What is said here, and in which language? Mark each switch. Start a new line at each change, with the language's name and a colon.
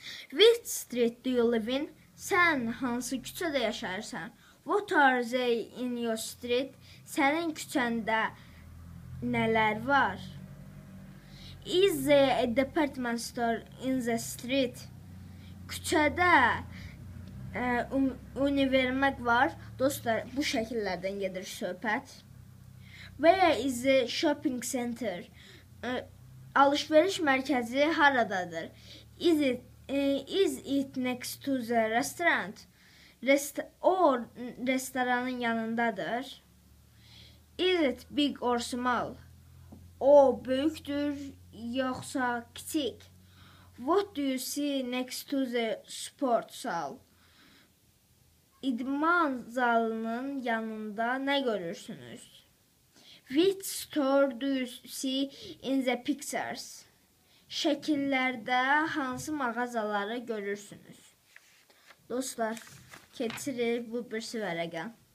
English: Which street do you live in?
Azerbaijani: Sen hansı küçədə yaşayırsan?
English: What are they in your street?
Azerbaijani: Sənin küçəndə nələr var?
English: Is there a department store in the street?
Azerbaijani: Küçədə universitet var? Dostlar, bu şəkillərdən gedir söhbət.
English: Where is the shopping center?
Azerbaijani: Alışveriş mərkəzi haradadır?
English: Is it next to the restaurant?
Azerbaijani: Restoranın yanındadır.
English: Is it big or small?
Azerbaijani: O böyükdür yoxsa kiçik?
English: What do you see next to the sports hall?
Azerbaijani: İdman zalının yanında nə görürsünüz?
English: Which store do you see in the pictures?
Azerbaijani: Şəkillərdə hansı mağazaları görürsünüz? Dostlar, keçirir bu birisi vərəqə.